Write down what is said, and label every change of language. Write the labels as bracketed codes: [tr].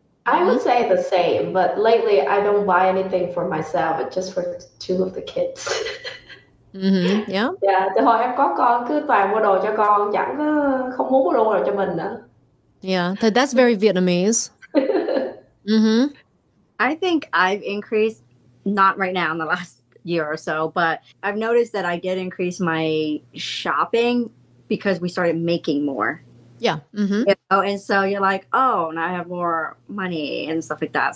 [en] I would say the same, but lately I don't buy anything for myself, but just for two of the kids. Yeah, [vi] từ hồi em có con cứ toàn mua đồ cho con, chẳng có, không muốn mua đồ cho mình nữa. [en] Yeah, that's very Vietnamese. I think I've increased, not right now in the last year or so, but I've noticed that I did increase my shopping because we started making more. Yeah. You know? And so you're like, oh, now I have more money and stuff like that.